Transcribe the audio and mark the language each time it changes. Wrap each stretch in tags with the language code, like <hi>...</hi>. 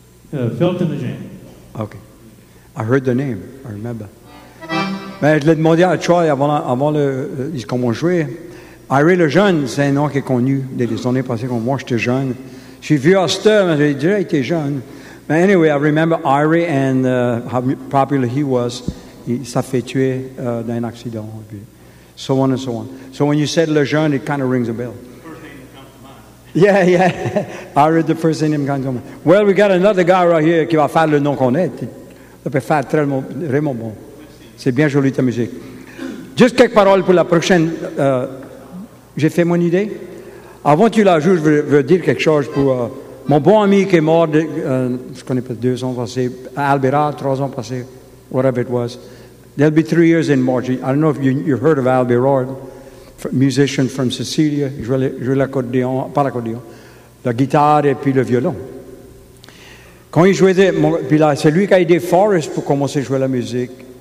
<en>Felton Legend. OK. I heard the name, I remember.</en> <fr>Mais je l'ai demandé à Troy avant le. Comment jouer. Harry le Jeune, c'est un nom qui est connu dès les années passées, quand moi j'étais jeune. Je suis vieux à ce temps, mais j'ai déjà été jeune. Mais</fr> <en>anyway, I remember Harry and how popular he was.</en> <fr>Il s'est fait tuer dans un accident.</fr> <en>So on and so on. So when you said le Jeune, it kind of rings a bell. Yeah, yeah. Harry, the first name comes to mind. Well, we got another guy right here</en> <fr>qui va faire le nom qu'on est. Il peut faire très, vraiment bon. C'est bien joli ta musique. Juste quelques paroles pour la prochaine. J'ai fait mon idée. Avant que tu la joues, je veux dire quelque chose pour mon bon ami qui est mort, je connais pas, 2 ans passés, Albera, 3 ans passés,</fr> <en>whatever it was. There'll be 3 years in March. I don't know if you heard of Albera, musician from Sicilia.</en> <fr>Il jouait l'accordéon, pas l'accordéon, la guitare et puis le violon. Quand il jouait, puis là, c'est lui qui a aidé Forrest pour commencer à jouer la musique.</fr>